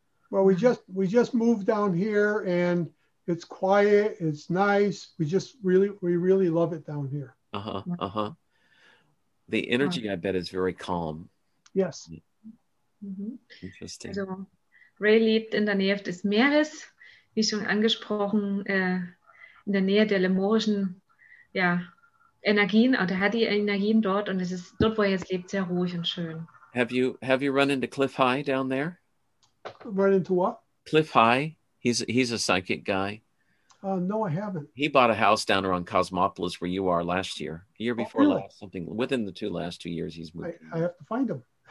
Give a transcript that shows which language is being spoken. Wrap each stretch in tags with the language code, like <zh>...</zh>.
<en>Well, we just moved down here and it's quiet. It's nice. We really love it down here. The energy, I bet, is very calm. Yes. Mm-hmm. Interesting.</en> <de>Also, Ray lebt in der Nähe des Meeres, wie schon angesprochen, in der Nähe der Lemurischen, ja, Energien, oder hat die Energien dort, und es ist dort, wo er jetzt lebt, sehr ruhig und schön.</de> <en>Have you run into Cliff High down there? Run into what? Cliff High. He's a psychic guy. No, I haven't. He bought a house down around Cosmopolis where you are last year. A year before last, something. Within the last two years, he's moved. I have to find him.</en>